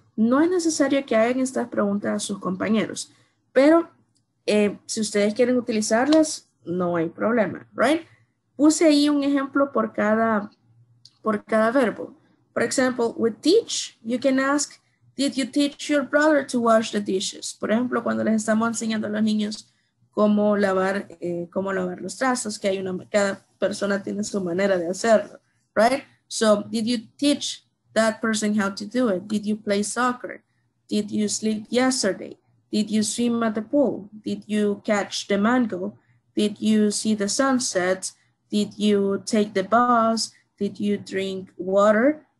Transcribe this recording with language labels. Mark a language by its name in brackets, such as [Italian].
[Spanish] No es necesario que hagan estas preguntas a sus compañeros, pero si ustedes quieren utilizarlas, no hay problema, right? Puse ahí un ejemplo por cada verbo. [English] For example, with teach, you can ask, did you teach your brother to wash the dishes? [Spanish] Por ejemplo, cuando les estamos enseñando a los niños cómo lavar los trastos, que cada persona tiene su manera de hacerlo, right? [English] So, did you teach that person how to do it? Did you play soccer? Did you sleep yesterday? Did you swim at the pool? Did you catch the mango? Did you see the sunset? Did you take the bus? Did you drink water?